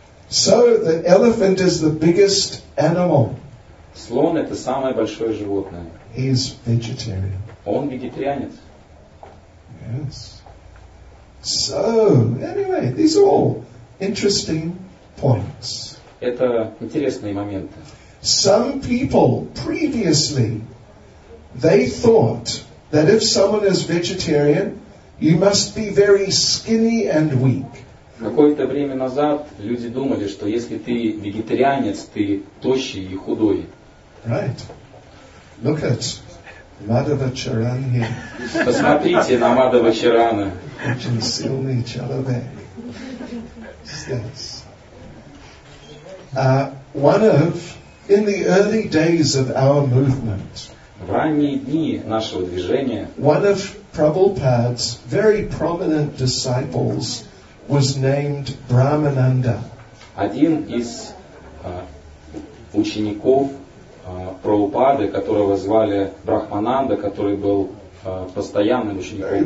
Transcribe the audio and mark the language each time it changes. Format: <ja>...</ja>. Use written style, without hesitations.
<en>So the elephant is the biggest animal.</en> <ru>Слон это самое большое животное.</ru> <en>He is vegetarian.</en> <ru>Он вегетарианец.</ru> <en>Yes. So, anyway, these are all interesting points.</en> <ru>Это интересные моменты.</ru> <en>Some people previously they thought that if someone is vegetarian, you must be very skinny and weak.</en> <ru>Какое-то время назад люди думали, что если ты вегетарианец, ты тощий и худой.</ru> <en>Right. Look at Madhava Charan here.</en> <ru>Посмотрите на Мадхава Чарана. Очень сильный человек.</ru> <en>Yes. One of in the early days of our movement.</en> <ru>В ранние дни нашего движения.</ru> <en>One of Prabhupada's very prominent disciples was named Brahmananda.</en> <ru>Один из учеников Прабхупады, которого звали Брахмананда, который был постоянным учеником</ru>